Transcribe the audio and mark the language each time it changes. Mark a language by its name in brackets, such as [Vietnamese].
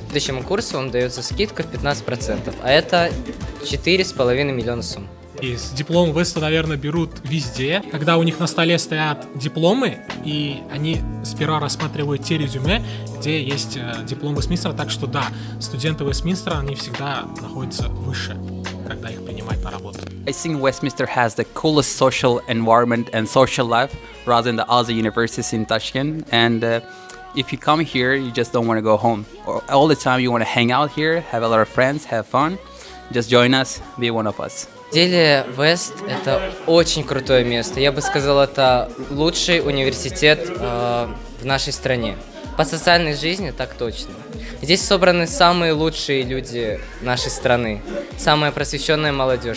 [Russian] Следующему курсу вам дается скидка в 15%, а это 4,5 миллиона сумм. И с диплом ВЭСТа, наверное, берут везде. Когда у них на столе стоят дипломы, и они сперва рассматривают те резюме, где есть диплом Вестминстера. Так что да, студенты Вестминстера, они всегда находятся выше, когда их принимают на работу. [English] I think Westminster has the coolest social environment and social life rather than the other universities in Tashkent. And if you come here, you just don't want to go home. All the time you want to hang out here, have a lot of friends, have fun. Just join us, be one of us. [Russian] На самом деле, Вест — это очень крутое место. Я бы сказал, это лучший университет в нашей стране. По социальной жизни — так точно. Здесь собраны самые лучшие люди нашей страны, самая просвещенная молодежь.